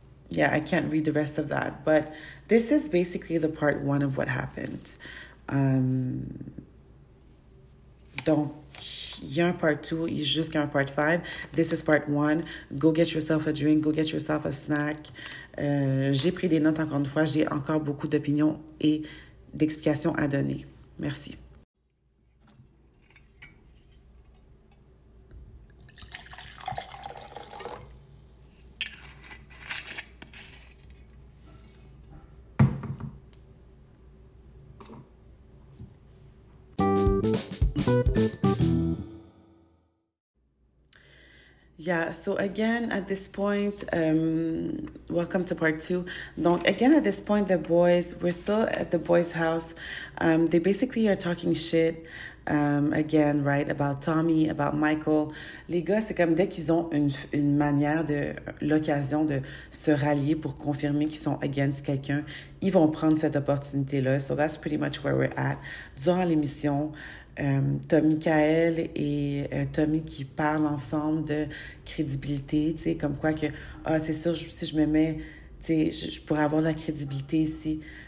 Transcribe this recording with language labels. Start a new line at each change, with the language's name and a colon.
English: Yeah, I can't read the rest of that, but this is basically the part one of what happened.
French: Donc, il y a un part two, il y a jusqu'à un part five.
English: This is part one. Go get yourself a drink. Go get yourself a snack.
French: J'ai pris des notes encore une fois. J'ai encore beaucoup d'opinions et d'explications à donner. Merci.
English: Yeah, so again, at this point, welcome to part two. Donc, again, at this point, the boys, we're still at the boys' house. They basically are talking shit, again, right, about Tommy, about Michael.
French: Les gars, c'est comme dès qu'ils ont une manière de, l'occasion de se rallier pour confirmer qu'ils sont against quelqu'un, ils vont prendre cette opportunité-là.
English: So that's pretty much where we're at.
French: Durant l'émission, Tommy Kael et Tommy qui parlent ensemble de crédibilité, tu sais, comme quoi que, ah, c'est sûr, si je me mets, tu sais, je pourrais avoir de la crédibilité ici.